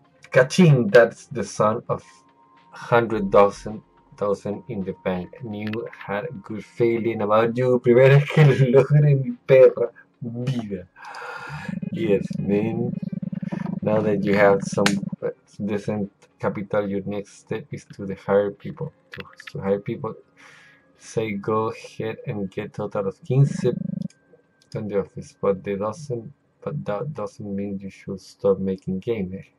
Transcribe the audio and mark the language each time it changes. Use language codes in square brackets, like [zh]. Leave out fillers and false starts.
[en] Catching, that's the sound of 100,000 in the bank. Knew I had a good feeling about you. [es] Primera vez que lo logré en mi perra vida. [en] Yes, man. Now that you have some decent capital, your next step is to the hire people. To hire people, say go ahead and get total of 15 in the office. But that doesn't mean you should stop making game.